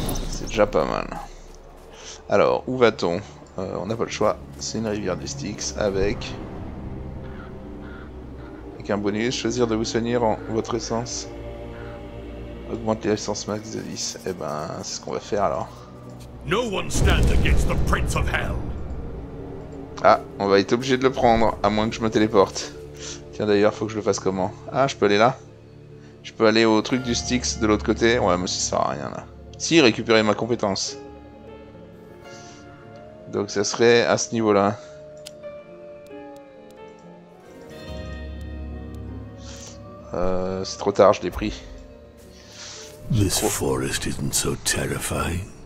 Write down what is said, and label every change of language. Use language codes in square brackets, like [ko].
[fr] C'est déjà pas mal. Alors, où va-t-on? On n'a pas le choix, c'est une rivière des Styx avec... avec un bonus, choisir de vous soigner en votre essence. Augmenter l'essence max de 10. Eh ben, c'est ce qu'on va faire alors. [en] No one stands against the Prince of Hell. [fr] Ah, on va être obligé de le prendre, à moins que je me téléporte. Tiens d'ailleurs, faut que je le fasse comment? Ah, je peux aller là? Je peux aller au truc du Styx de l'autre côté? Ouais, mais ça sert à rien là. Si, récupérer ma compétence. Donc ça serait à ce niveau-là. C'est trop tard, je l'ai pris. [en] This forest isn't so terrifying.